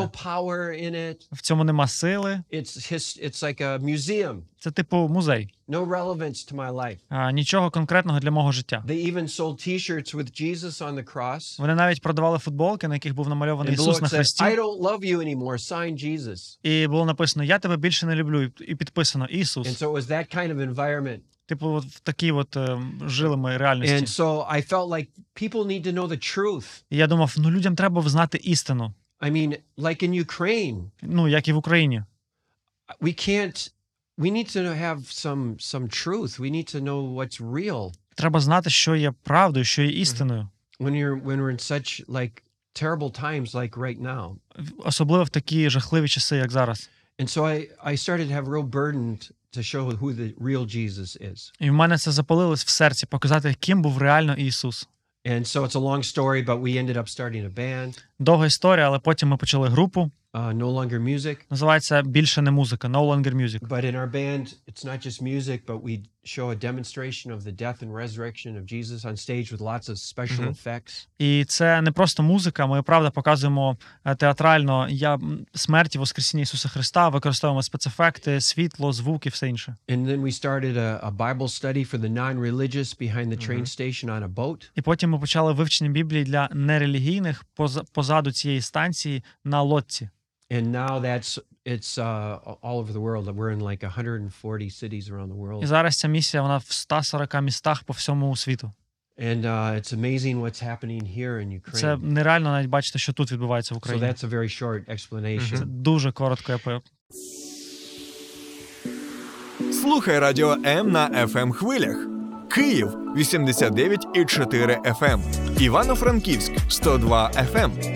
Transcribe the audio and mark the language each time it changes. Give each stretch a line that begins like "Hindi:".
English: There's no power in it.
Ukrainian: В цьому нема сили.
English: It's like a museum.
Ukrainian: Це типу музей.
English: No relevance to my life.
Ukrainian: Нічого конкретного для мого життя.
English: They even sold t-shirts with Jesus on the cross.
Ukrainian: Вони навіть продавали футболки, на яких був намальований Ісус на хресті.
English: I don't love you anymore. Sign Jesus.
Ukrainian: І було написано, я тебе більше не люблю, і підписано Ісус.
English: And so it was that kind of environment.
Ukrainian: Типу, от в такій от жили ми реальності.
English: And so I felt like people need to know the truth.
Ukrainian: Я думав, ну людям треба знати істину.
English: I mean, like in Ukraine.
Ukrainian: Ну, як і в Україні.
English: We need to have some truth. We need to know what's real.
Ukrainian: Треба знати, що є правдою, що є істиною.
English: When we're in such like terrible times like right now.
Ukrainian: Особливо в такі жахливі часи, як зараз.
English: And so I started to have real burden to show who the real Jesus is.
Ukrainian: І в мене це запалилось в серці показати, ким був реально Ісус.
English: And so it's a long story, but we ended up starting a band.
Ukrainian: Довга історія, але потім ми почали групу.
English: No longer music.
Ukrainian: Називається більше не музика.
English: No longer music. But in our band, it's not just music, but we show a demonstration of the death and resurrection of Jesus on stage with lots of special effects.
Ukrainian: І це не просто музика, ми правда показуємо театрально смерть і воскресіння Ісуса Христа, використовуємо спецефекти, світло, звук і все інше.
English: And then we started a Bible study for the non-religious behind the train station on a boat.
Ukrainian: І потім ми почали вивчення Біблії для нерелігійних позаду цієї станції на лодці.
English: And now it's all over the world. We're in like 140 cities around the world.
Ukrainian: І зараз ця місія, вона в 140 містах по всьому світу.
English: And it's amazing what's happening here in Ukraine.
Ukrainian: Це нереально навіть бачити, що тут відбувається в Україні.
English: So that's a very short explanation.
Ukrainian: Це дуже коротко. Слухай радіо М на FM хвилях. Київ 89.4 FM. Івано-Франківськ 102 FM.